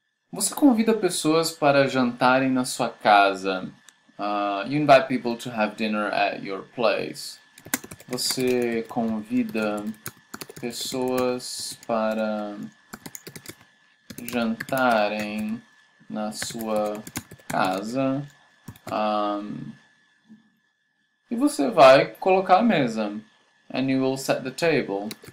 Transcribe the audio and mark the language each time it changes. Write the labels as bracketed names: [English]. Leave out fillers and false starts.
[Portuguese] Você convida pessoas para jantarem na sua casa. [English] You invite people to have dinner at your place. [Portuguese] Você convida pessoas para jantarem na sua casa. E você vai colocar a mesa. [English] And you will set the table.